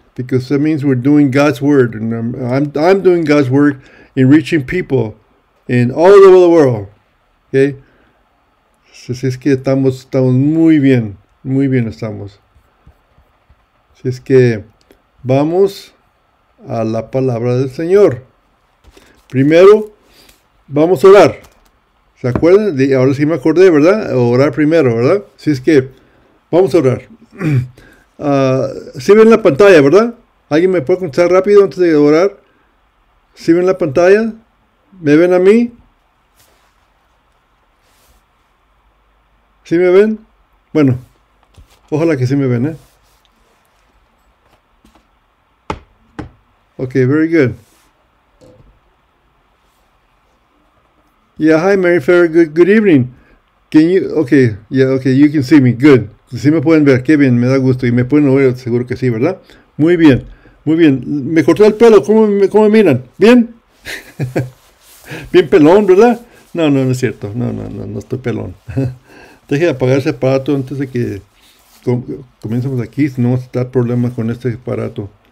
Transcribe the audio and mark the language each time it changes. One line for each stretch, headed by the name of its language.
English: Because that means we're doing God's word. And I'm doing God's work in reaching people in all over the world. Okay?
Spanish: Si es que estamos muy bien estamos. Si es que vamos a la palabra del Señor. Primero, vamos a orar. ¿Se acuerdan? Ahora sí me acordé, ¿verdad? Orar primero, ¿verdad? Si es que vamos a orar. ¿Sí ven la pantalla, verdad? ¿Alguien me puede contestar rápido antes de orar? ¿Sí ven la pantalla? ¿Me ven a mí? ¿Sí me ven? Bueno, ojalá que sí me ven, ¿eh?
English: Ok, very good. Yeah, hi Mary Fair, good evening. Okay, you can see me, good.
Spanish: Sí me pueden ver, qué bien, me da gusto. Y me pueden oír, seguro que sí, ¿verdad? Muy bien, muy bien. Me cortó el pelo, ¿cómo me miran? ¿Bien? Bien pelón, ¿verdad? No, es cierto. No, estoy pelón. Deje de apagar ese aparato antes de que comencemos aquí, si no vamos a tener problemas con este aparato.